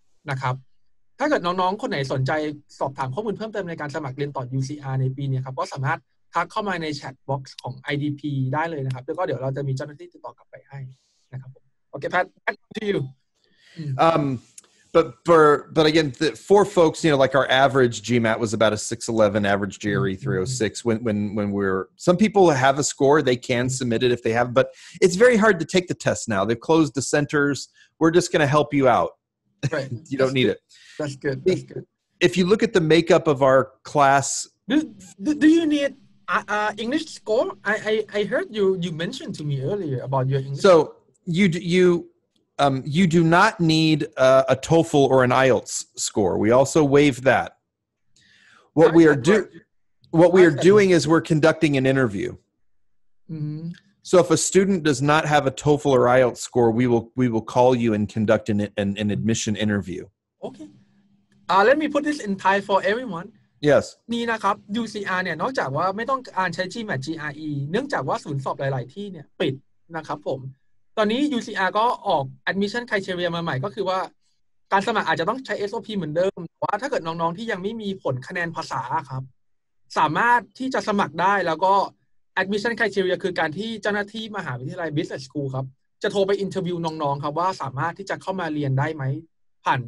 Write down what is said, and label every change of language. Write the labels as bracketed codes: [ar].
[th] นะครับถ้าเกิดน้องๆคนไหนสนใจสอบถามข้อมูลเพิ่มเติมในการสมัครเรียนต่อ UCR ในปีนี้ครับก็สามารถทักเข้ามาในแชทบ็อกซ์ของ IDP ได้เลยนะครับแล้วก็เดี๋ยวเราจะมีเจ้าหน้าที่ติดต่อกลับไปให้นะครับโอเค [en] แพทแบ็คทูยู But again, for folks, you know, like our average GMAT was about a 611, average GRE 306. Some people have a score, they can submit it if they have, but it's very hard to take the test now. They've closed the centers. We're just going to help you out. Right. You don't need it. That's good. That's good. If you look at the makeup of our class. Do you need English score? I heard you mentioned to me earlier about your English score. So you You do not need a TOEFL or an IELTS score. We also waive that. What we are doing is we're conducting an interview. Mm-hmm. So if a student does not have a TOEFL or IELTS score, we will call you and conduct an admission interview. Okay. Let me put this in Thai for everyone. Yes. [th] นี่นะครับ UCR เนี่ยนอกจากว่าไม่ต้องการใช้ GMAT GRE เนื่องจากว่าศูนย์สอบหลายๆที่เนี่ยปิดนะครับผมตอนนี้ UCR ก็ออก admission criteria มาใหม่ก็คือว่าการสมัครอาจจะต้องใช้ SOP เหมือนเดิมว่าถ้าเกิดน้องๆที่ยังไม่มีผลคะแนนภาษาครับสามารถที่จะสมัครได้แล้วก็admission criteria คือการที่เจ้าหน้าที่มหาวิทยาลัย Business School ครับจะโทรไปอินเทอร์วิวน้องๆครับว่าสามารถที่จะเข้ามาเรียนได้ไหมผ